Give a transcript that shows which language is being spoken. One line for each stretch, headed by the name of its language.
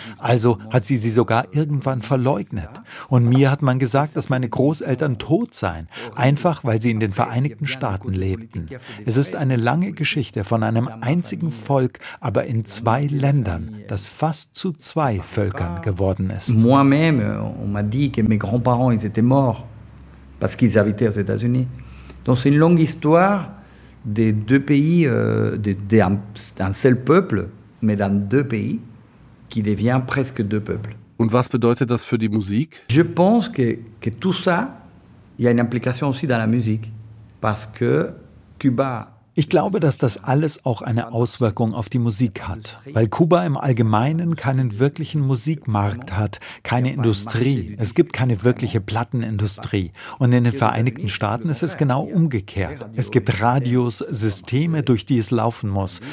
German: Also hat sie sie sogar irgendwann verleugnet. Und mir hat man gesagt, dass meine Großeltern tot seien, einfach weil sie in den Vereinigten Staaten lebten. Es ist eine lange Geschichte von einem einzigen Volk, aber in zwei Ländern, das fast zu zwei Völkern geworden ist.
French: Moi-même, on m'a dit que mes grands-parents, ils étaient morts parce qu'ils habitaient aux États-Unis. Donc c'est une longue histoire des deux pays, d'un seul peuple, mais dans deux pays, qui devient presque deux peuples.
German: Und was bedeutet das für die Musik?
French: Je pense que tout ça, il y a une implication aussi dans la musique, parce que Cuba.
German: Ich glaube, dass das alles auch eine Auswirkung auf die Musik hat, weil Kuba im Allgemeinen keinen wirklichen Musikmarkt hat, keine Industrie. Es gibt keine wirkliche Plattenindustrie. Und in den Vereinigten Staaten ist es genau umgekehrt. Es gibt Radios, Systeme, durch die es laufen muss.